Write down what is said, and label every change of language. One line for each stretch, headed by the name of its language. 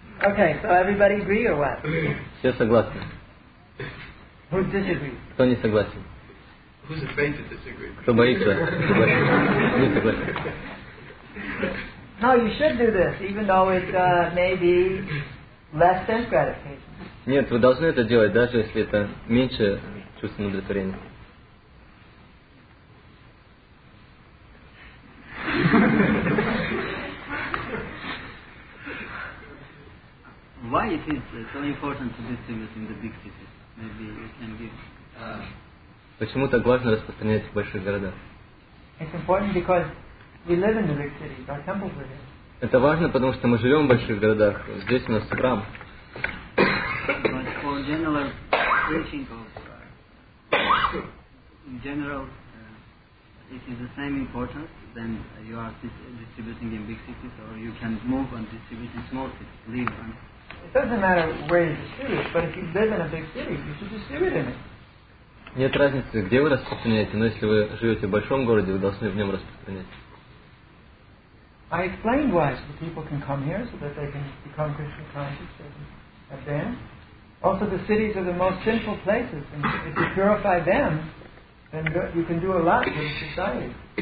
English: Okay, so everybody agree or what?
Russian: Все согласны.
English: Who disagrees?
Russian: Кто не согласен?
English: Who's afraid to disagree?
Russian: Кто боится? Не согласен.
English: No, you should do this, even though it may be less than gratification.
Russian: Нет, вы должны это делать, даже если это меньше чувства удовлетворения.
English: Why it is so important to distribute in the big cities? Maybe you can give.
Russian: Почему так важно распространять в больших городах?
English: It's important because we live in the big cities. Our temples are there.
Russian: Это важно, потому что мы живем в больших городах. Здесь у нас храм.
English: But for general preaching of, in general, it is the same importance than you are distributing in big cities, or you can move and distribute in small cities. Live and. It doesn't matter where you distribute, but if you live in a big city, you should distribute in it.
Russian: Нет разницы, где вы распространяете, но если вы живете в большом городе, вы должны в нем распространять.
English: I explained why so people can come here so that they can become Krishna conscious and advance. Also, the cities are the most sinful places, and if you purify them, then you can do a lot for the society.